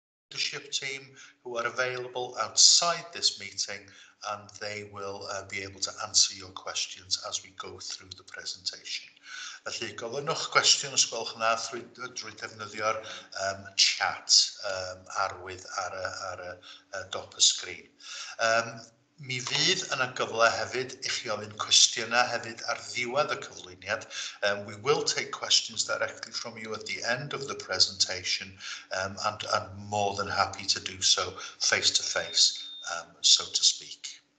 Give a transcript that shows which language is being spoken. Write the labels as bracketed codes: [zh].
[en] leadership team who are available outside this meeting, and they will be able to answer your questions as we go through the presentation. [cy] Felly, gofynnwch cwestiwn os gwelwch yna drwy defnyddio'r chat arwydd ar y dop y sgrin. Mi fydd yna gyfle hefyd I chi ofyn cwestiynau hefyd ar ddiwedd y cyflwyniad. [en] We will take questions directly from you at the end of the presentation and more than happy to do so face to face, so to speak.